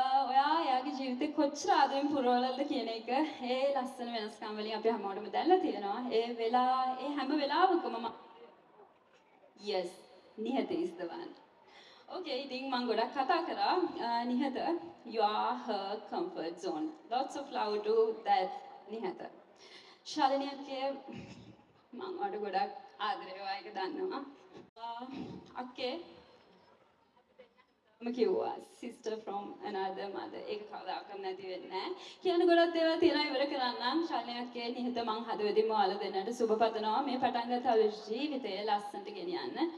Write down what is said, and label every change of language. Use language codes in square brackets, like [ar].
[si] ඔයා එයාගේ ජීවිතේ කොච්චර ආදරෙන් පුරවලද කියන එක ඒ ලස්සන වෙනස්කම් වලින් අපි හැමෝටම දැල්ලා තියෙනවා. ඒ වෙලා ඒ හැම වෙලාවකම මම [en] yes Nihatha is the one. [si] Okay, ඉතින් මම ගොඩක් කතා කරා නිහත. [en] You are her comfort zone. Lots of love to that Nihatha. [si] ශලනි අක්කේ මම ඔයාට ගොඩක් ආදරේවා එක දන්නවා. ඔකේ මම කිව්වා [en] sister from another mother. [si] ඒක කවදාකවත් නැති වෙන්නේ නැහැ. කියන ගොඩක් දේවල් තියෙනවා ඉවර කරන්නම්. ශලනියක්ගේ නිහත මං හදවතින්ම ඔයාලා දෙන්නට සුබපතනවා. මේ පටන් ගත්ත අලුත් ජීවිතයේ ලස්සනට ගෙනියන්න.